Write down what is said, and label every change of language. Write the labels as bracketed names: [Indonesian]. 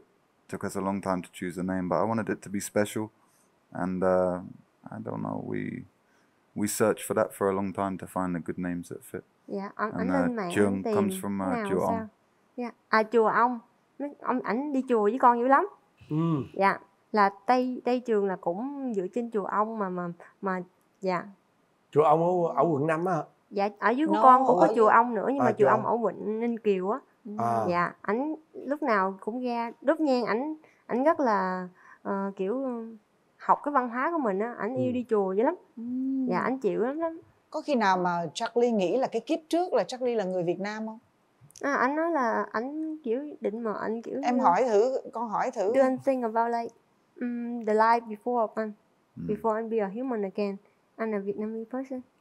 [English] It took us a long time to choose the name, but I wanted it to be special. And I don't know, we searched for that for a long time to find the good names that fit. [Vietnamese] Yeah, anh lên mạng Trường tìm [English] comes from chùa ông. Yeah, chùa ông. [Vietnamese] Ông ảnh đi chùa với con dữ lắm. Ừ. Mm. Dạ, yeah. Là Tây Trường là cũng dựa trên chùa ông mà dạ. [English] Yeah. [Vietnamese] Chùa ông ở quận 5 á. Dạ, ở dưới của con cũng có chùa ông nữa nhưng mà chùa ông ở quận Ninh Kiều á. Dạ, ảnh lúc nào cũng ra đốt nhang, ảnh rất là kiểu học cái văn hóa của mình á, ảnh yêu đi chùa dữ lắm. Dạ, ảnh chịu lắm. Có khi nào mà Charlie nghĩ là cái kiếp trước là Charlie là người Việt Nam không? À, anh nói là anh kiểu định mà anh kiểu em hỏi thử, con hỏi thử. [English] Do anh think about like the life before of anh, before anh be a human again, anh là Vietnamese person.